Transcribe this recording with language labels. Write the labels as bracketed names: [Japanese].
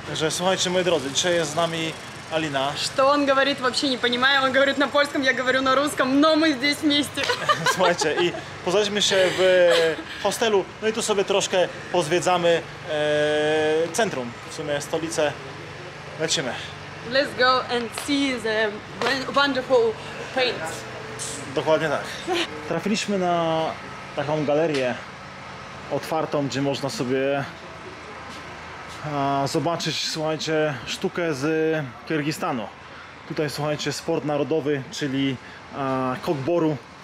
[Polish] Słuchajcie, moi drodzy, dzisiaj jest z nami Alina. [Russian] Что он говорит, вообще не понимаю. Он говорит на польском, я говорю на русском, но мы здесь вместе. [Polish] Słuchajcie, i poznaliśmy się w hostelu, no i tu sobie troszkę pozwiedzamy centrum, w sumie stolicę. Lecimy. [English] Let's go and see the wonderful paints. [Polish] Dokładnie tak. Trafiliśmy na taką galerię otwartą, gdzie można sobie zobaczyć, słuchajcie, sztukę z Kirgistanu. Tutaj, słuchajcie, sport narodowy, czyli kokboru.